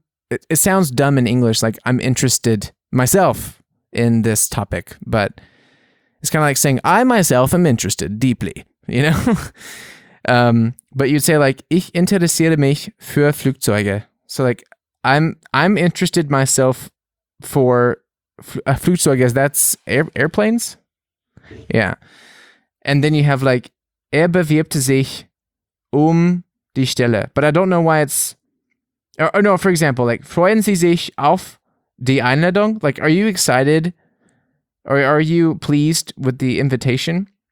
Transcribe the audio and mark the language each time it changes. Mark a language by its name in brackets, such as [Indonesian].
[English] It sounds dumb in English, like I'm interested myself in this topic, but it's kind of like saying, I myself am interested deeply, you know? but you'd say like, [German] ich interessiere mich für Flugzeuge. [English] So like, I'm interested myself for Flugzeug, I guess that's airplanes. Yeah. And then you have like, [German] bewirbt sich die Stelle. [English] But I don't know why it's, or no, for example, like, [German] freuen Sie sich auf die Einladung? [English] Like, are you excited or are you pleased with the invitation?